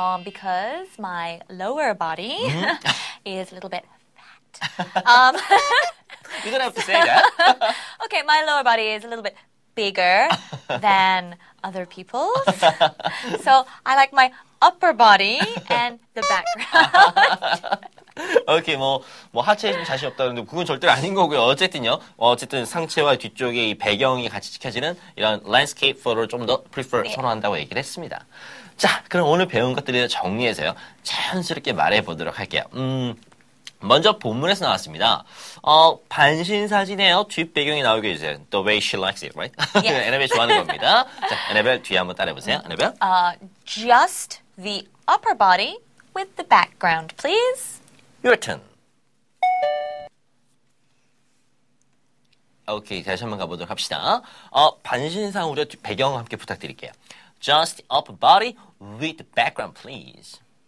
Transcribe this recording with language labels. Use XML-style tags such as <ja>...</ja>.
<en>Because my lower body is a little bit fat. You don't have to say that. Okay, my lower body is a little bit bigger than other people's. So I like my upper body and the background.</en> <ko>Okay, 뭐 하체에 좀 자신 없다 그런데 그건 절대 아닌 거고요. 어쨌든요. 어쨌든 상체와 뒤쪽의 이 배경이 같이 찍혀지는 이런 landscape photo를 좀 더 prefer 선호한다고 얘기를 했습니다. 자, 그럼 오늘 배운 것들을 정리해서요. 자연스럽게 말해보도록 할게요. 먼저 본문에서 나왔습니다. 반신 사진에요. 뒷배경이 나오게 해주세요.</ko> <en>The way she likes it, right? Yes.</en> <ko>에나벨 좋아하는 겁니다. 자, 에나벨 뒤에 한번 따라해보세요. 에나벨.</ko> <en>Just the upper body with the background, please. Your turn.</en> <ko>Okay, 다시 한번 가보도록 합시다. 반신상으로 배경 함께 부탁드릴게요.</ko> <en>Just the upper body with the background, please.</en>